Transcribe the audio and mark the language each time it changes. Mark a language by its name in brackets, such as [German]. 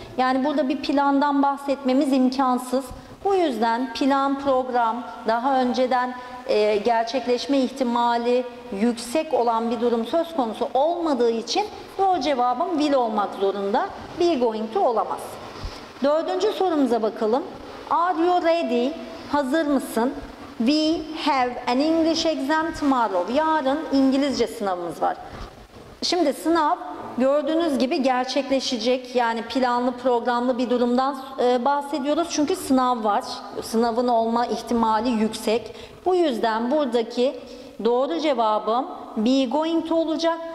[Turkish] Yani burada bir plandan bahsetmemiz imkansız. Bu yüzden plan, program, daha önceden gerçekleşme ihtimali yüksek olan bir durum söz konusu olmadığı için doğru cevabım will olmak zorunda. Be going to olamaz. Dördüncü sorumuza bakalım. [English] Are you ready? [Turkish] Hazır mısın? [English] We have an English exam tomorrow. [Turkish] Yarın İngilizce sınavımız var. Şimdi sınav gördüğünüz gibi gerçekleşecek. Yani planlı programlı bir durumdan bahsediyoruz. Çünkü sınav var. Sınavın olma ihtimali yüksek. Bu yüzden buradaki doğru cevabım be going to olacak.